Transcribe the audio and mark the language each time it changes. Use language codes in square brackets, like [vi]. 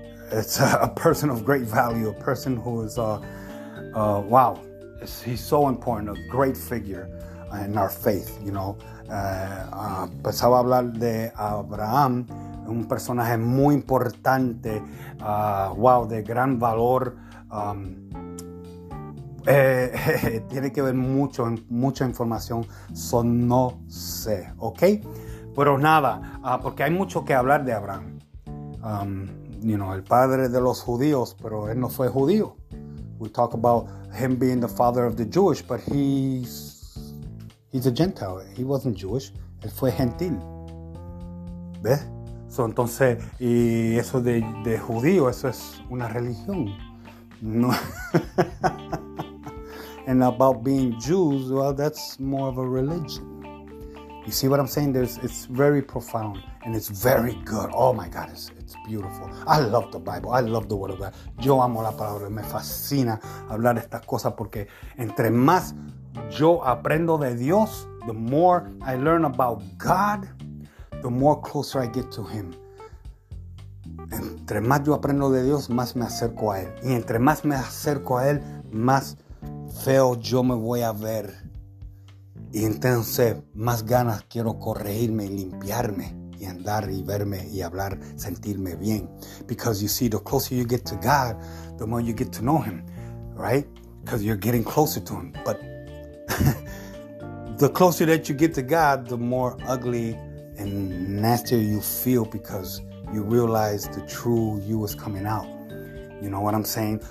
[en] It's a person of great value. A person who is, wow, he's so important. A great figure in our faith, you know. [es] Pensaba hablar de Abraham, un personaje muy importante. Wow, de gran valor. Tiene que ver mucho, mucha información, so no sé, ¿ok? Pero nada, porque hay mucho que hablar de Abraham. You know, el padre de los judíos, pero él no fue judío. [en] We talk about him being the father of the Jewish, but he's a Gentile. He wasn't Jewish, [es] él fue gentil. ¿Ves? So, entonces, y eso de judío, eso es una religión. No. [en] And about being Jews, well, that's more of a religion. You see what I'm saying? It's very profound and it's very good. Oh my God, it's beautiful. I love the Bible. I love the Word of God. [es] Yo amo la palabra. Me fascina hablar de estas cosas porque entre más yo aprendo de Dios, [en] the more I learn about God, the more closer I get to Him. [es] Entre más yo aprendo de Dios, más me acerco a Él. Y entre más me acerco a Él, más feo yo me voy a ver. Y entonces, más ganas quiero corregirme y limpiarme y andar y verme y hablar, sentirme bien. [en] Because you see, the closer you get to God, the more you get to know Him, right? Because you're getting closer to Him. But the closer that you get to God, the more ugly and nastier you feel, because you realize the true you is coming out. You know what I'm saying?